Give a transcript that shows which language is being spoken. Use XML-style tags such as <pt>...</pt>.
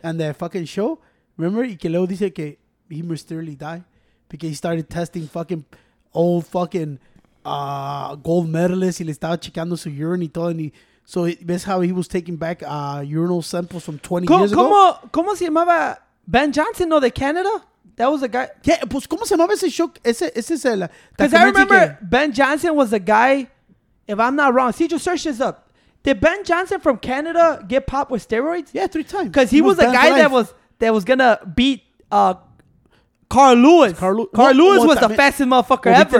<en>And the fucking show? Remember?</en> <es>Y que luego dice que</es> <en>he mysteriously died because he started testing fucking old fucking gold medalists</en> <es>y le estaba checando su urine y todo.</es> <en>And so that's how he was taking back urinal samples from 20 years ago?</en> <es>¿Cómo se llamaba Ben Johnson, no, de Canada?</es> <en>That was a guy.</en> <es>Yeah, pues ¿cómo se llamaba ese show? Ese es el...</es> <en>Because I remember Ben Johnson was a guy, if I'm not wrong, see, just search this up. Did Ben Johnson from Canada get popped with steroids? Yeah, three times. Because he was a guy that was going to beat Carl Lewis. Carl Lewis was the fastest motherfucker ever.</en>